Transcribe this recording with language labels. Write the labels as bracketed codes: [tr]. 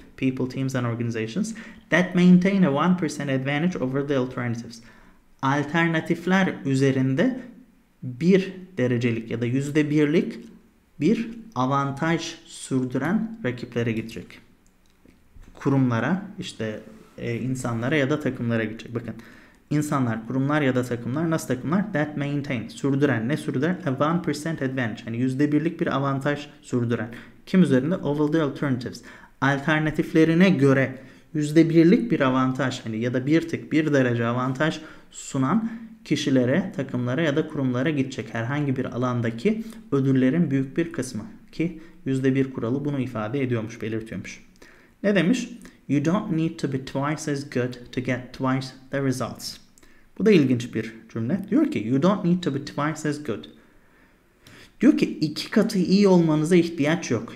[en] People, teams and organizations that maintain a 1% advantage over the alternatives. [tr] Alternatifler üzerinde bir derecelik ya da yüzde birlik bir avantaj sürdüren rakiplere gidecek. Kurumlara, işte insanlara ya da takımlara gidecek. Bakın insanlar, kurumlar ya da takımlar nasıl takımlar? [en] That maintain, [tr] sürdüren. Ne sürdüren? [en] A 1% advantage. [tr] Yani %1'lik bir avantaj sürdüren. Kim üzerinde? [en] Over the alternatives. [tr] Alternatiflerine göre %1'lik bir avantaj hani ya da bir tık bir derece avantaj sunan kişilere, takımlara ya da kurumlara gidecek. Herhangi bir alandaki ödüllerin büyük bir kısmı ki %1 kuralı bunu ifade ediyormuş, belirtiyormuş. Ne demiş? [en] You don't need to be twice as good to get twice the results. [tr] Bu da ilginç bir cümle. Diyor ki [en] you don't need to be twice as good. [tr] Diyor ki iki katı iyi olmanıza ihtiyaç yok.